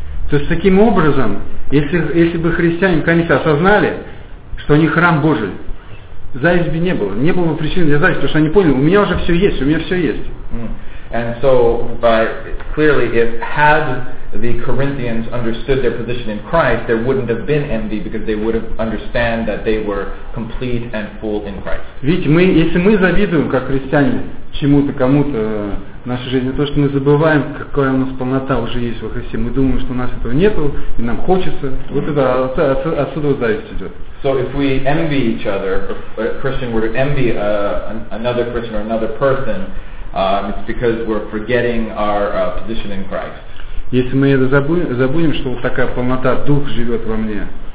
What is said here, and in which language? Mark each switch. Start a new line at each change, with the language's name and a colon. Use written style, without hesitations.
Russian: То есть таким образом, если бы христиане наконец осознали, что они храм Божий, зависть бы не было. Не было бы причины для зависти, потому что они поняли, у меня все есть.
English: And so, clearly, had the Corinthians understood their position in Christ, there wouldn't have been envy because they would have understood that they were complete and full in Christ.
Russian: Ведь мы, если мы завидуем, как христиане, чему-то, кому-то в нашей жизни, то, что мы забываем, какая у нас полнота уже есть во Христе, мы думаем, что у нас этого нету, и нам хочется, вот это отсюда зависть идет.
English: So if we envy each other, if a Christian were to envy another Christian or another person, it's because we're forgetting our position in Christ.
Russian: Если мы это забудем, что вот такая полнота, Дух живет во мне.